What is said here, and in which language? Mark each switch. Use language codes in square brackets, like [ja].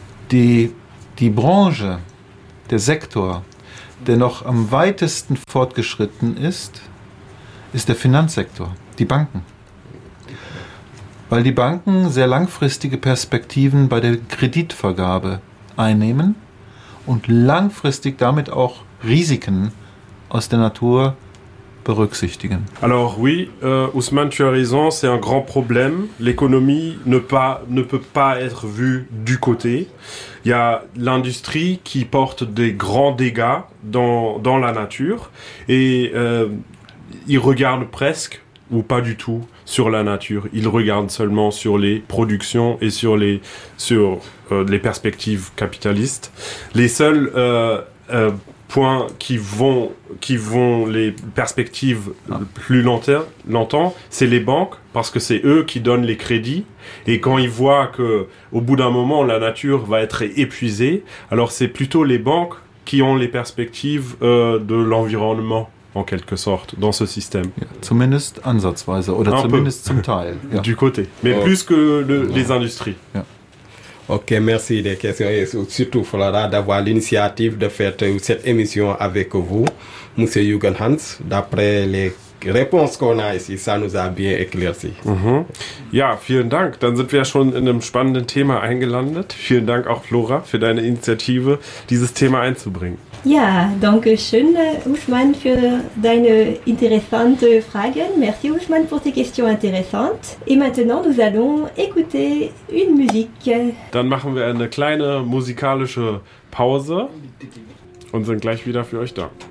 [de] Die Branche, der Sektor, der noch am weitesten fortgeschritten ist, ist der Finanzsektor, die Banken. Weil die Banken sehr langfristige Perspektiven bei der Kreditvergabe einnehmen und langfristig damit auch Risiken aus der Natur berücksichtigen. [fr] Alors oui, Ousmane, tu as raison, c'est un grand problème. L'économie ne peut pas être vue du côté. Il y a l'industrie qui porte des grands dégâts dans la nature et ils regardent presque ou pas du tout sur la nature. Ils regardent seulement sur les productions et sur les perspectives capitalistes. Les seuls points qui vont les perspectives plus longtemps, c'est les banques, parce que c'est eux qui donnent les crédits. Et quand ils voient qu'au bout d'un moment, la nature va être épuisée, alors c'est plutôt les banques qui ont les perspectives de l'environnement, en quelque sorte, dans ce système. [de] Zumindest ansatzweise, oder zumindest zum Teil. [fr] Du côté, mais plus que les industries. Ok, merci des questions et surtout Flora d'avoir l'initiative de faire cette émission avec vous, M. Jürgen Hans. D'après les réponses qu'on a ici, ça nous a bien éclairci. [de] Mm-hmm. Ja, vielen Dank. Dann sind wir ja schon in einem spannenden Thema eingelandet. Vielen Dank auch Flora für deine Initiative, dieses Thema einzubringen. Ja, danke schön, Ousmane, für deine interessante Fragen. [fr] Merci, Ousmane, pour tes questions intéressantes. Et maintenant, nous allons écouter une musique. [de] Dann machen wir eine kleine musikalische Pause und sind gleich wieder für euch da.